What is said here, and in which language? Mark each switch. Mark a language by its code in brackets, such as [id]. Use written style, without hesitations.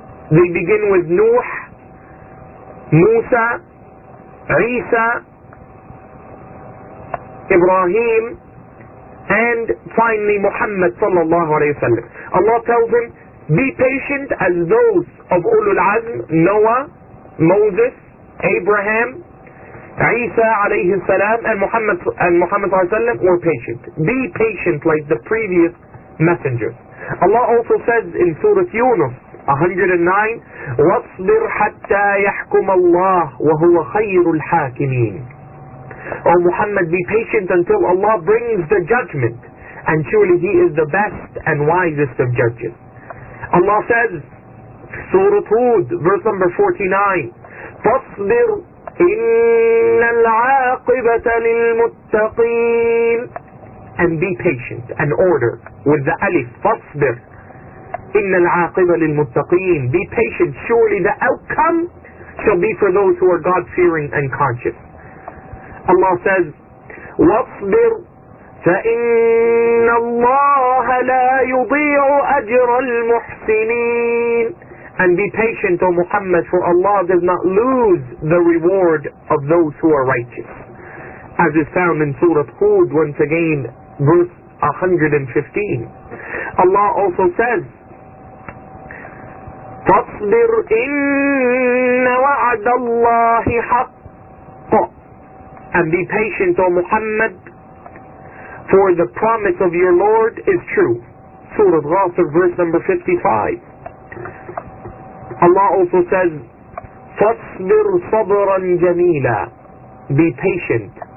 [en] They begin with Nuh, Musa, Isa, Ibrahim, and finally Muhammad sallallahu alayhi wa sallam. Allah tells him, be patient as those of Ulul Azm, Noah, Moses, Abraham, Isa alayhi salam, and Muhammad alayhi salam were patient. Be patient like the previous messengers. Allah also says in Surah Yunus 109, [ar] وَاصْبِرْ حَتَّى يَحْكُمَ اللَّهُ وَهُوَ خَيْرُ الْحَاكِمِينَ. [en] O Muhammad, be patient until Allah brings the judgment, and surely He is the best and wisest of judges. Allah says, Surah Hud, verse number 49. [ar] فَاصْبِرْ إِنَّ الْعَاقِبَةَ لِلْمُتَّقِينَ. [en] And be patient, and order with the alif. [ar] فَاصْبِرْ إِنَّ الْعَاقِبَةَ لِلْمُتَّقِينَ. [en] Be patient, surely the outcome shall be for those who are God-fearing and conscious. Allah says, [ar] وَاصْبِرْ فَإِنَّ اللَّهَ لَا يُضِيعُ أَجْرَ الْمُحْسِنِينَ. [en] And be patient, O Muhammad, for Allah does not lose the reward of those who are righteous. As is found in Surah Hud, once again, verse 115. Allah also says, [ar] فَاصْبِرْ إِنَّ وَعَدَ اللَّهِ حَقٌّ. [en] And be patient, O Muhammad, for the promise of your Lord is true. Surah Ghafir, verse number 55. [ar] Allah also says, فَاصْبِرْ صَبْرًا جَمِيلًا. [en] Be patient.